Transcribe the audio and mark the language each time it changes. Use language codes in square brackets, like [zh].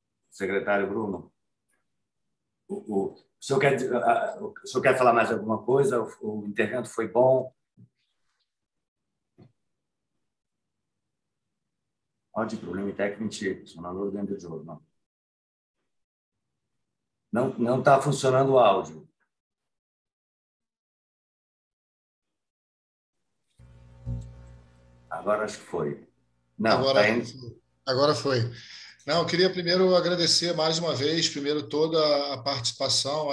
[pt] Segretario Bruno, se quer falar mais alguma coisa, o intervento foi bom. [it] Oggi problemi tecnici sono all'ordine del giorno. [pt] Non está funcionando o áudio. Agora acho que foi. Agora foi. Não, eu queria primeiro agradecer mais uma vez, primeiro toda a participação.